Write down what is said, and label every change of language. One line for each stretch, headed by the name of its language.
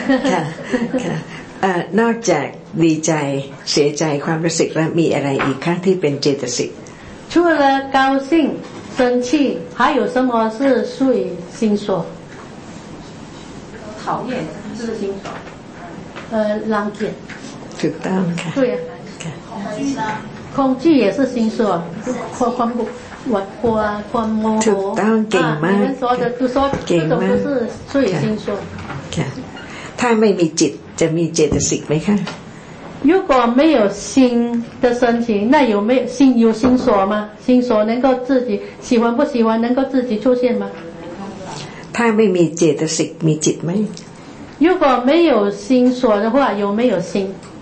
Thai: ค่ะค่ะนอกจากดีใจเสียใจความรู้สึกแล้วมีอะไรอีกคะที่เป็นเจตสิก？
Chinese: 除了高兴、生气，还有什么是属于心所？讨厌是心所。浪漫。就当看。对呀。看。恐惧也是心所，
Thai: ความกลัวความโมโห ถูกต้องเก่งมาก เก่งมาก เก่งมาก เก่งมาก ถ้าไม่มีจิตจะมีเจตสิกไหมคะ
Chinese: 如果没有心的升起那有没有心有心所吗心所能够自己喜欢不喜欢能够自己出现吗
Thai: ถ้าไม่มีเจตสิกมีจิตไหม
Chinese: 如果没有心所的话有没有心